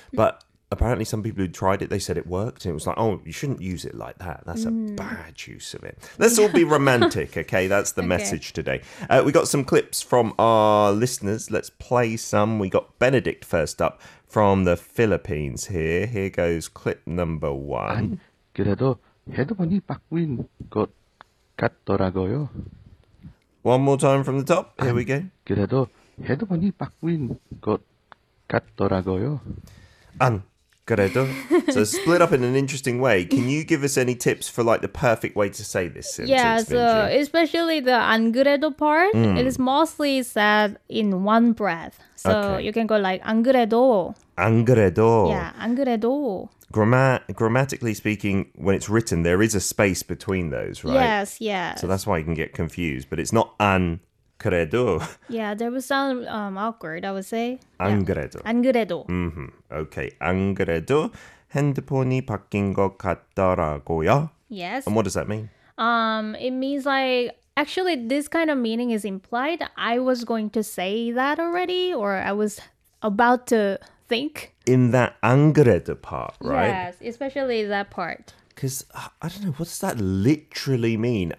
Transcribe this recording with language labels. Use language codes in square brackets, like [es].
[en] But apparently some people who tried it, they said it worked. And it was like, oh, you shouldn't use it like that. That's a bad use of it. Let's all be romantic, okay? That's the message today. We got some clips from our listeners. Let's play some. We got Benedict first up from the Philippines here. Here goes clip number one. [ko] 아니, 그래도 헤드폰이 바뀐 것 같더라고요. [en] One more time from the top. Here 아니, we go. [ko] 그래도 헤드폰이 바뀐 것 같더라고요. 안. 그래도. [en] So split up in an interesting way. Can you give us any tips for like the perfect way to say this sentence? Yeah, so Minji? Especially the [ko] 안 그래도 [en] part, it is mostly said in one breath. So you can go like [ko] 안 그래도. 안 그래도. Yeah, 안 그래도. [en] Grammatically speaking, when it's written, there is a space between those, right? Yes, yes. So that's why you can get confused, but it's not [ko] 안 그래도. [en] Yeah, there was some awkward, I would say. [ko] 안 그래도. 안 그래도. Mm-hmm. Okay, 안 그래도 핸드폰이 바뀐 것 같더라고요. [en] Yes. And what does that mean? It means like, actually, this kind of meaning is implied. I was going to say that already, or I was about to think. In that [ko] 안 그래도 [en] part, right? Yes, especially that part. Because, I don't know, what does that literally mean?